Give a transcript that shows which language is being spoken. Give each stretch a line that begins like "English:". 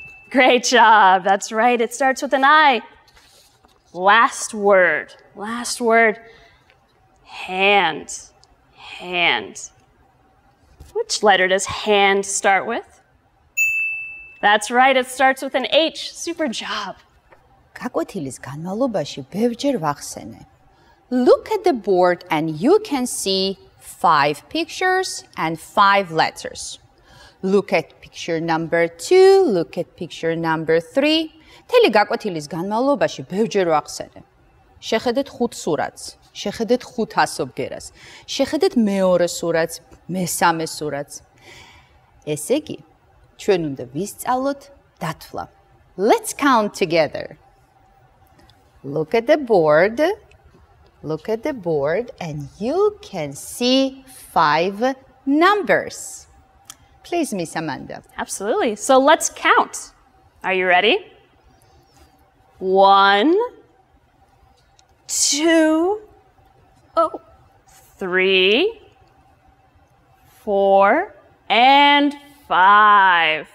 English: Great job. That's right. It starts with an I. Last word. Last word. Hand. Hand. Which letter does hand start with? That's right. It starts with an H. Super job.
Georgian: გაკვეთილის განმავლობაში ბევრჯერ ვახსენე.
English: Look at the board and you can see five pictures and five letters. Look at picture number two, look at picture number three.
Georgian: Მთელი გაკვეთილის განმავლობაში ბევრჯერ ვახსენე. შეხედეთ ხუთ სურათს, შეხედეთ ხუთ ასობგერას, შეხედეთ მეორე სურათს, მესამე სურათს. ესე იგი, ჩვენ უნდა ვისწავლოთ დათვლა.
English: Let's count together. Look at the board. Look at the board and you can see five numbers. Please, Miss Amanda. Absolutely. So let's count. Are you ready? One, two, three, four, and five.